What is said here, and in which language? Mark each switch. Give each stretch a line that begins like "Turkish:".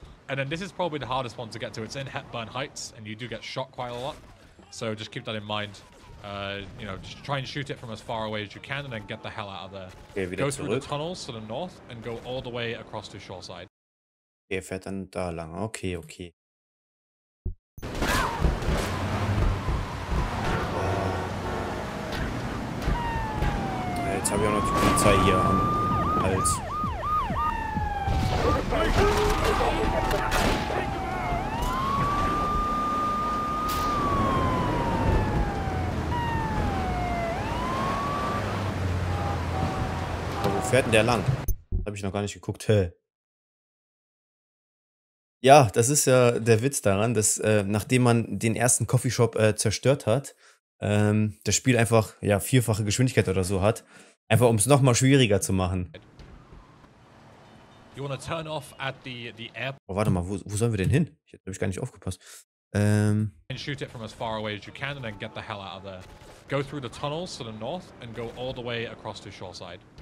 English: And then this is probably the hardest one to get to. It's in Hepburn Heights and you do get shot quite a lot. So just keep that in mind. You know, just try and shoot it from as far away as you can and then get the hell out of there. Okay, go through the tunnels to the north and go all the way across to Shoreside.
German: Okay, fährt dann da lang. Okay, okay. Jetzt habe ich auch noch die Polizei hier am Hals. fährt denn der lang? Habe ich noch gar nicht geguckt. Hä? Ja, das ist ja der Witz daran, dass nachdem man den ersten Coffeeshop zerstört hat, das Spiel einfach ja vierfache Geschwindigkeit oder so hat, einfach um es nochmal schwieriger zu machen.
English: You wanna turn off at the airport?
German: Oh, warte mal, wo sollen wir denn hin? Ich hab gar nicht aufgepasst.
English: And shoot it from as far away as you can and then get the hell out of there. Go through the tunnels to the north and go all the way across to Shoreside.